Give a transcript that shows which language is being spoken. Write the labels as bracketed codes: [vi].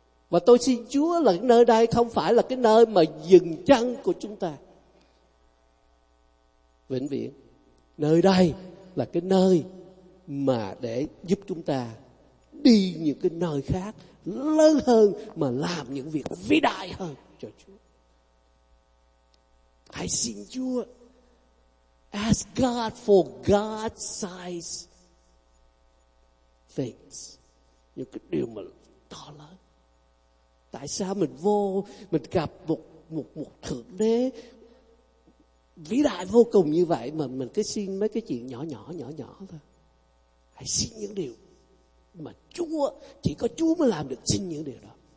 [vi] Và tôi xin Chúa là nơi đây không phải là cái nơi mà dừng chân của chúng ta vĩnh viễn. Nơi đây là cái nơi mà để giúp chúng ta đi những cái nơi khác lớn hơn, mà làm những việc vĩ đại hơn cho Chúa. Hãy xin Chúa. [en] Ask God for God's size things. [vi] Những cái điều mà to lớn. Tại sao mình vô, mình gặp một thượng đế vĩ đại vô cùng như vậy mà mình cứ xin mấy cái chuyện nhỏ thôi. Hãy xin những điều mà Chúa, chỉ có Chúa mới làm được, xin những điều đó.